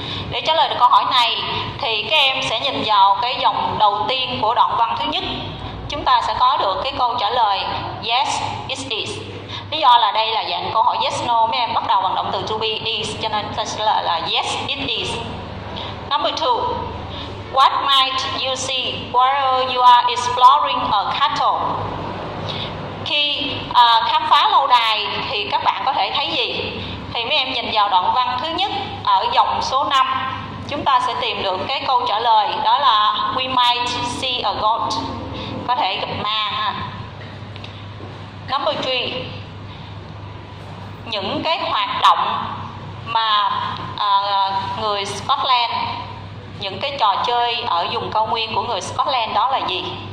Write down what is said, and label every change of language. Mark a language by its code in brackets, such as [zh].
[vi] Để trả lời được câu hỏi này thì các em sẽ nhìn vào cái dòng đầu tiên của đoạn văn thứ nhất. Chúng ta sẽ có được cái câu trả lời [en] Yes, it is. [vi] Lý do là đây là dạng câu hỏi yes, no. Mấy em bắt đầu bằng động từ to be, is. Cho nên chúng ta sẽ lời là [en] yes, it is. Number 2, What might you see while you are exploring a castle? [vi] Khi khám phá lâu đài thì các bạn có thể thấy gì? Thì mấy em nhìn vào đoạn văn thứ nhất ở dòng số 5, chúng ta sẽ tìm được cái câu trả lời, đó là [en] We might see a goat. [vi] Có thể gặp ma ha. [en] Number 3, [vi] những cái hoạt động mà người Scotland, những cái trò chơi ở vùng cao nguyên của người Scotland đó là gì?